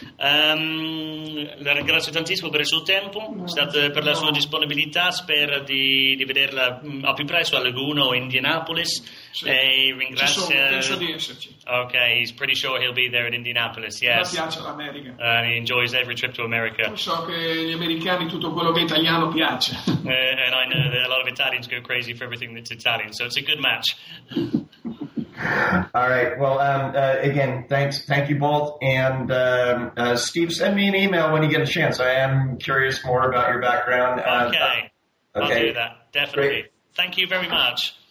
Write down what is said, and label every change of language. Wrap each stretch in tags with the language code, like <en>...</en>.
<it>La ringrazio tantissimo per il suo tempo, per la sua disponibilità. Spero di vederla al più presto a Laguna o Indianapolis. Sì. E ringrazio. Penso di esserci.</it> <en>Okay, he's pretty sure he'll be there at Indianapolis. Yes.</en> <it>Mi piace l'America.</it> <en>He enjoys every trip to America.</en> <it>Io so che gli americani tutto quello che è italiano piace.</it> <en>And I know that a lot of Italians go crazy for everything that's Italian, so it's a good match. All right. Well, again, thanks. Thank you both. And Steve, send me an email when you get a chance. I am curious more about your background. Okay. I'll do that. Definitely. Great. Thank you very much.</en>